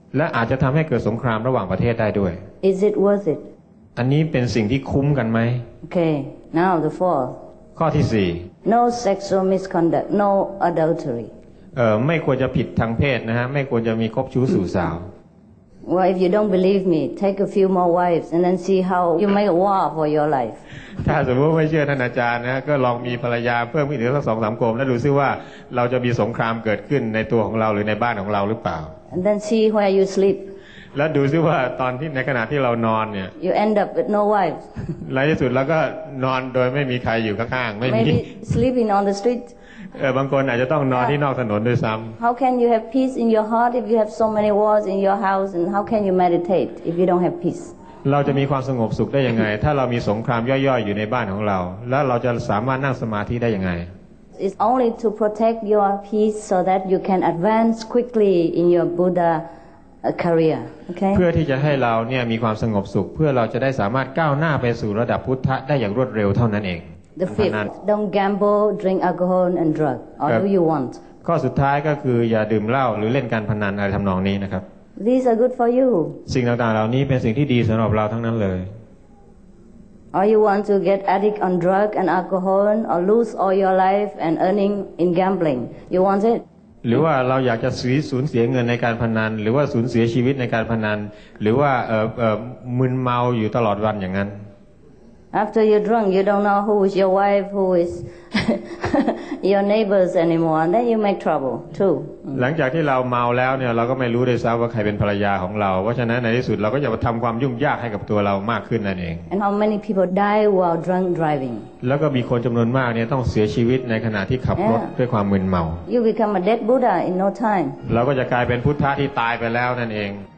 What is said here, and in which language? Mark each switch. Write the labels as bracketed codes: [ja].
[th] และอาจจะทำให้เกิดสงครามระหว่างประเทศได้ด้วย [en] Is it worth it? [th] อันนี้เป็นสิ่งที่คุ้มกันไหม [en] Okay, now the fourth. [th] ข้อที่สี่ [en] No sexual misconduct, no adultery. [th] ไม่ควรจะผิดทางเพศนะฮะไม่ควรจะมีคบชู้สู่สาว [en] Well, if you don't believe me, take a few more wives and then see how you make a war for your life. [th] ถ้าสมมติไม่เชื่อท่านอาจารย์นะก็ลองมีภรรยาเพิ่มอีกสักสองสามคนแล้วดูซิว่าเราจะมีสงครามเกิดขึ้นในตัวของเราหรือในบ้านของเราหรือเปล่า [en] And then see where you sleep. [th] แล้วดูซิว่าตอนที่ในขณะที่เรานอนเนี่ย [en] You end up with no wife [th] ในที่สุดแล้วก็นอนโดยไม่มีใครอยู่ข้างๆไม่มี [en] Maybe sleeping on the street [th] บางคนอาจจะต้องนอนที่นอกถนนด้วยซ้ำ [en] How can you have peace in your heart if you have so many walls in your house and how can you meditate if you don't have peace [th] เราจะมีความสงบสุขได้ยังไงถ้าเรามีสงครามย่อยๆอยู่ในบ้านของเราแล้วเราจะสามารถนั่งสมาธิได้ยังไง [en] It's only to protect your peace so that you can advance quickly in your BuddhaCareer. Okay. [th] เพื่อที่จะให้เราเนี่ยมีความสงบสุขเพื่อเราจะได้สามารถก้าวหน้าไปสู่ระดับพุทธะได้อย่างรวดเร็วเท่านั้นเอง [en] The fifth, don't gamble, drink alcohol and drug, or do you want? [th] ข้อสุดท้ายก็คืออย่าดื่มเหล้าหรือเล่นการพนันอะไรทำนองนี้นะครับ [en] These are good for you. [th] สิ่งต่างๆเหล่านี้เป็นสิ่งที่ดีสำหรับเราทั้งนั้นเลย [en] Or you want to get addict on drug and alcohol, or lose all your life and earning in gambling? You want it? [th] หรือว่าเราอยากจะสูญเสียเงินในการพนันหรือว่าสูญเสียชีวิตในการพนันหรือว่ามึนเมาอยู่ตลอดวันอย่างนั้น [en] After you're drunk you don't know who is your wife who is your neighbors anymore then you make trouble too [th] หลังจากที่เราเมาแล้วเนี่ยเราก็ไม่รู้ด้วยซ้ำว่าใครเป็นภรรยาของเราเพราะฉะนั้นในที่สุดเราก็จะทำความยุ่งยากให้กับตัวเรามากขึ้นนั่นเอง [en] And how many people die while drunk driving [th] แล้วก็มีคนจำนวนมากเนี่ยต้องเสียชีวิตในขณะที่ขับรถด้วยความมึนเมา [en] You become a dead Buddha in no time [th] เราก็จะกลายเป็นพุทธะที่ตายไปแล้วนั่นเอง